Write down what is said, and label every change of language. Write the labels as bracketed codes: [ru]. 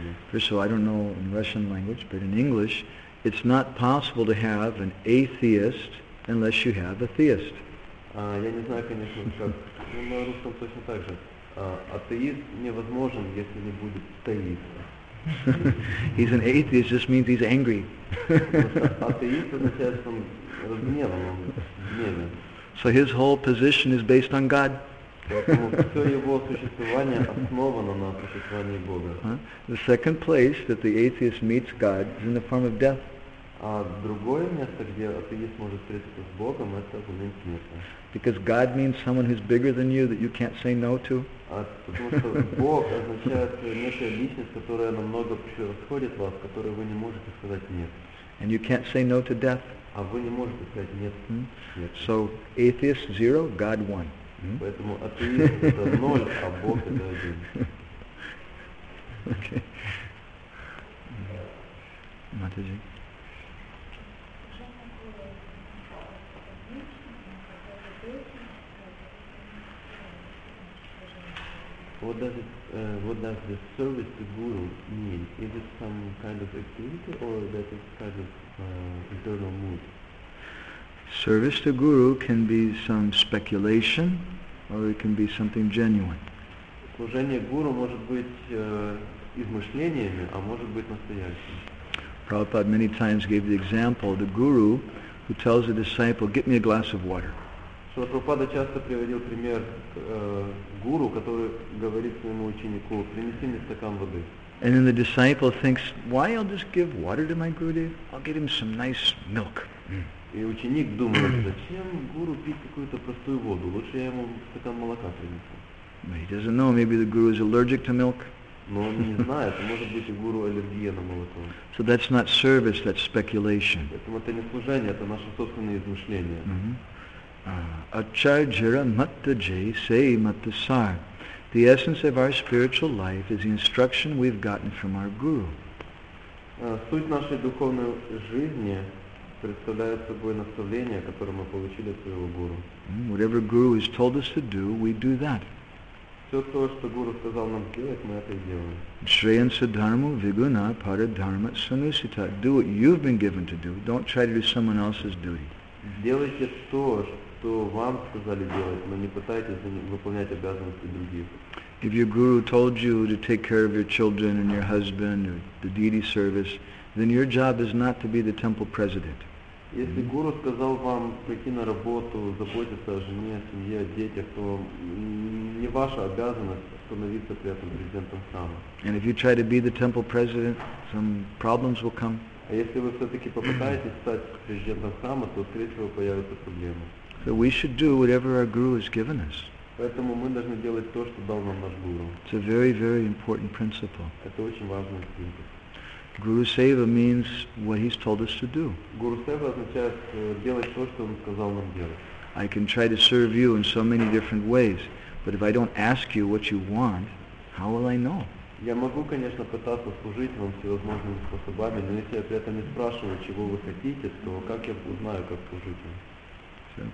[en] First of all, I don't know in Russian language, but in English, it's not possible to have an atheist unless you have a theist. [ru] Я не знаю, конечно, как. Но на русском точно так же. Атеист невозможен, если не будет теист. [en] He's an atheist, just means he's angry. [ru] Атеист означает, что он разгневан, он в гневе. [en] So his whole position is based on God. [ru] Поэтому все его существование основано на существовании Бога. [en] The second place that the atheist meets God is in the form of death. [ru] А другое место, где атеист может встретиться с Богом, это в момент смерти. [en] Because God means someone who's bigger than you that you can't say no to. [ru] Потому что Бог означает некая личность, которая намного превосходит вас, которой вы не можете сказать нет. [en] And you can't say no to death. [ru] А вы не можете сказать нет. [en] So atheist zero, God one. [ru] Поэтому атеист это ноль, а Бог это один. Окей. Матаджи. [en] What does the service to Guru mean? Is it some kind of activity or that is kind of internal mood? Service to Guru can be some speculation. Or it can be something genuine. [ru] Служение гуру может быть измышлениями, а может быть настоящим. [en] Prabhupada many times gave the example the guru who tells a disciple, "Get me a glass of water." [ru] Шрила Прабхупада часто приводил пример гуру, который говорит своему ученику, "Принеси мне стакан воды." [en] And then the disciple thinks, "Why? I'll just give water to my gurudev. I'll get him some nice milk." [ru] И ученик думает, зачем гуру пить какую-то простую воду? Лучше я ему стакан молока принесу. [en] But he doesn't know. Maybe the guru is allergic to milk. [ru] Но он не знает. Может быть, и гуру аллергия на молоко. [en] So that's not service. That's speculation. [ru] Поэтому это не служение, это наши собственные измышления. Acharjara mattajay say mattasar. [en] The essence of our spiritual life is the instruction we've gotten from our guru. [ru] Суть нашей духовной жизни представляет собой наставление, которое мы получили от своего гуру. [en] Whatever guru has told us to do, we do that. [ru] Все то, что гуру сказал нам делать, мы это и делаем. [sa] Shreyan sadharma viguna paradharma sunusita. [en] Do what you've been given to do. Don't try to do someone else's duty. [ru] Делайте то, что вам сказали делать, но не пытайтесь выполнять обязанности других. [en] If your guru told you to take care of your children and your husband or the deity service, then your job is not to be the temple president. [ru] Если гуру сказал вам прийти на работу, заботиться о жене, о семье, о детях, то не ваша обязанность становиться при этом президентом храма. [en] And if you try to be the temple president, some problems will come. [ru] А если вы все-таки попытаетесь стать президентом храма, то, скорее всего, появятся проблемы. [en] So we should do whatever our guru has given us. [ru] Поэтому мы должны делать то, что дал нам наш гуру. [en] It's a very, very important principle. [ru] Это очень важный принцип. [en] Guru Seva means what he's told us to do. [ru] Guru Seva означает делать то, что он сказал нам делать. [en] I can try to serve you in so many different ways, but if I don't ask you what you want, how will I know? [ru] Я могу, конечно, пытаться служить вам всевозможными способами, но если я при этом не спрашиваю, чего вы хотите, то как я узнаю, как служить вам?